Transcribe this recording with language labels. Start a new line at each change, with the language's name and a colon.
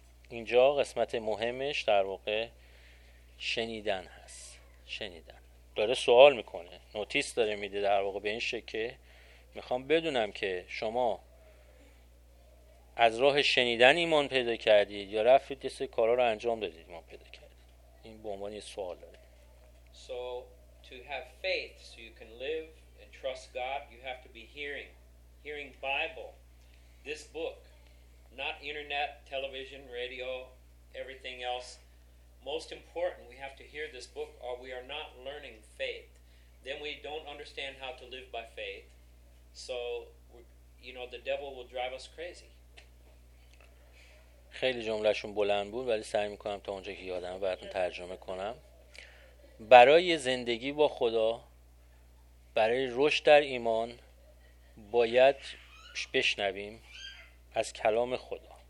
Persian: اینجا قسمت مهمش در واقع شنیدن هست. شنیدن. داره سوال میکنه. نوتیس داره میده در واقع به این شکل، میخوام بدونم که شما از راه شنیدن ایمان پیدا کردید یا رفتید یه سری کارا رو انجام دادید ایمان پیدا کردید. این به عنوان یه سوال داره.
English: So to have faith so you can live and trust God, you have to be hearing. Hearing Bible, this book, not internet, television, radio, everything else. Most important, we have to hear this book or we are not learning faith. Then we don't understand how to live by faith. So, you know, the devil will drive us crazy.
Persian: خیلی جملهشون بلند بود ولی سعی میکنم تا اونجا که یادم براتون ترجمه کنم. برای زندگی با خدا، برای رشد در ایمان، باید بشنویم از کلام خدا.